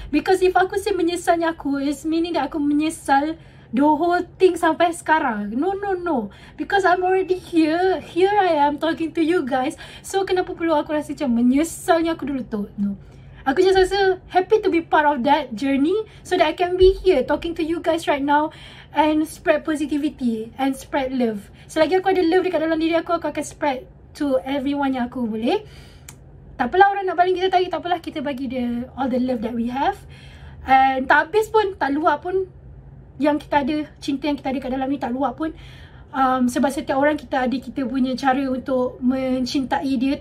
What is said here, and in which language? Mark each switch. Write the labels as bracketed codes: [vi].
[en] Because if aku say [ms] menyesalnya aku, [en] it's meaning that [ms] aku menyesal [en] the whole thing [ms] sampai sekarang. [en] No. Because I'm already here. Here I am talking to you guys. So [ms] kenapa perlu aku rasa macam menyesalnya aku dulu tu? [en] No. [ms] Aku [en] just [ms] rasa [en] happy to be part of that journey so that I can be here talking to you guys right now and spread positivity and spread love. [ms] Selagi aku ada love dekat dalam diri aku, aku akan [en] spread to everyone [ms] yang aku boleh. Takpelah orang nak baling kita tadi, takpelah, kita bagi dia [en] all the love that we have. And [ms] tak habis pun, tak luar pun yang kita ada, cinta yang kita ada kat dalam ni tak luar pun. Sebab setiap orang kita ada kita punya cara untuk mencintai dia.